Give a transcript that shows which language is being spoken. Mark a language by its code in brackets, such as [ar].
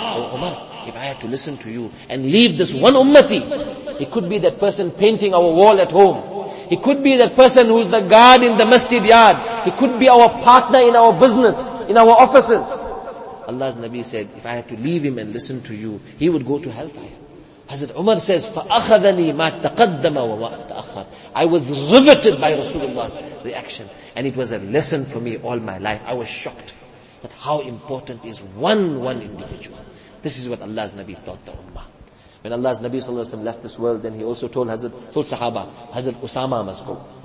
[en] O Umar, if I had to listen to you and leave this one ummati, it could be that person painting our wall at home. It could be that person who's the guard in the masjid yard. It could be our partner in our business, in our offices. Allah's Nabi said, if I had to leave him and listen to you, he would go to hellfire. [ar] Hazrat Umar says, فَأَخَذَنِي مَا تَقَدَّمَ وَمَا تَأَخَّرَ. [en] I was riveted by Rasulullah's reaction. And it was a lesson for me all my life. I was shocked that how important is one individual. This is what Allah's Nabi taught the Ummah. When Allah's Nabi Sallallahu Alaihi Wasallam left this world, then he also told Sahaba, Hazrat Usama must go.